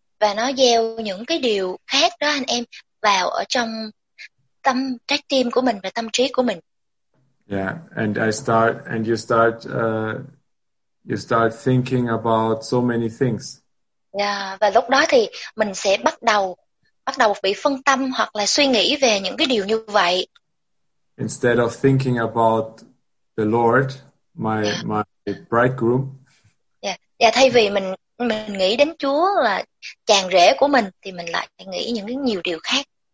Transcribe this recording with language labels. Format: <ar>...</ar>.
<vi>Và nó gieo những cái điều khác đó anh em vào ở trong tâm trái tim của mình và tâm trí của mình.</vi> <en>Yeah, and I start and you start thinking about so many things.</en> <vi>Yeah, và lúc đó thì mình sẽ bắt đầu bị phân tâm hoặc là suy nghĩ về những cái điều như vậy.</vi> <en>Instead of thinking about the Lord, my bridegroom.</en> <vi>Yeah, thay vì mình nghĩ đến Chúa là chàng rể của mình thì mình lại nghĩ những cái nhiều điều khác.</vi>